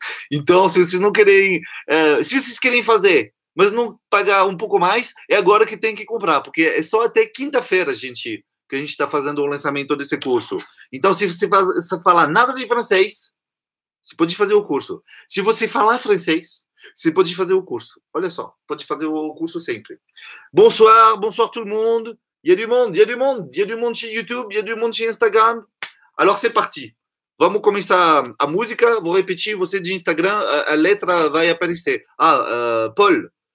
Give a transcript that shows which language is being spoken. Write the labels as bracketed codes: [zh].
[pt] Então, se vocês não querem, se vocês querem fazer, mas não pagar um pouco mais, é agora que tem que comprar, porque é só até quinta-feira, gente, que a gente está fazendo o lançamento desse curso. Então, se você falar nada de francês, você pode fazer o curso. Se você falar francês, você pode fazer o curso. Olha só, pode fazer o curso sempre. [fr] Bonsoir, bonsoir tout le monde. Il y a du monde, il y a du monde, il y a du monde sur YouTube, il y a du monde sur Instagram. Alors, c'est parti. [pt] Vamos começar a música. Vou repetir, você de Instagram, a letra vai aparecer. Paul.